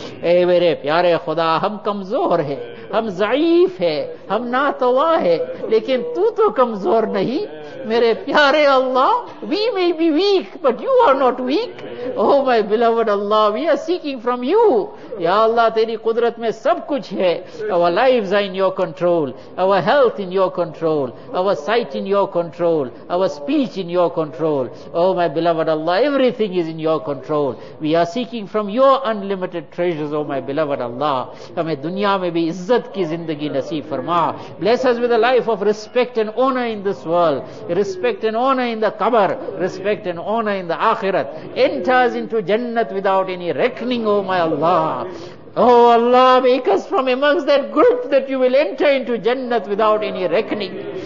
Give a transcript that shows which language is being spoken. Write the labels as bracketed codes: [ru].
[ur] اے میرے پیارے خدا, ہم کمزور ہیں, ہم ضعیف ہیں, ہم ناتوا ہیں, لیکن تو کمزور نہیں میرے پیارے اللہ. [en] We may be weak, but you are not weak. Oh my beloved Allah, we are seeking from you. [ur] Ya Allah, تیری قدرت میں سب کچھ ہے. [en] Our lives are in your control, our health in your control, our sight in your control, our speech in your control. Oh my beloved Allah, everything is in your control. We are seeking from your unlimited treasures, oh my beloved Allah. [ur] ہمیں دنیا میں بھی عزت کی زندگی نصیب فرما. [en] Bless us with a life of respect and honor in this world, respect and honor in the qabr, respect and honor in the akhirat. Enter us into jannat without any reckoning, oh my Allah. Oh Allah, make us from amongst that group that you will enter into jannat without any reckoning.